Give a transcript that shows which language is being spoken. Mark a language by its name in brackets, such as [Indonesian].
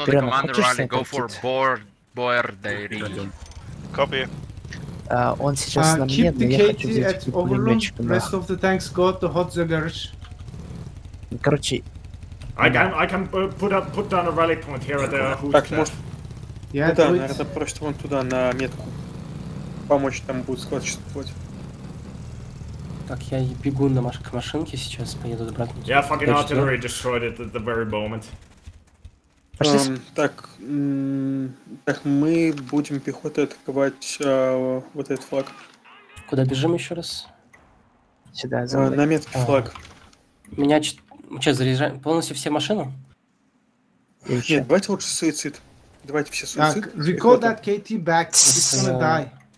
[English] Spawn on the commander rally, go for Borderi. Copy. [Russian] Он сейчас на мне, но я хочу взять пулеметчика на... [English] Rest of the tanks go to Hotzegers. [Russian] Короче... [English] I can put down a rally point here or there, who's there. Yeah, [Russian] да, наверное, просто вон туда, на метку. Помочь там будет склад, что-то. Так, я бегу на машинке сейчас, поеду обратно. [English] Yeah, fucking artillery destroyed it at the very moment. [Russian] Так, мы будем пехотой атаковать вот этот флаг. Куда бежим еще раз? Сюда, за мной. На метке флаг. Меня что, заряжаем? Полностью все машину? Нет, давайте лучше суицид. Давайте все суицид. [English] Так, recall that KT back, he's gonna die.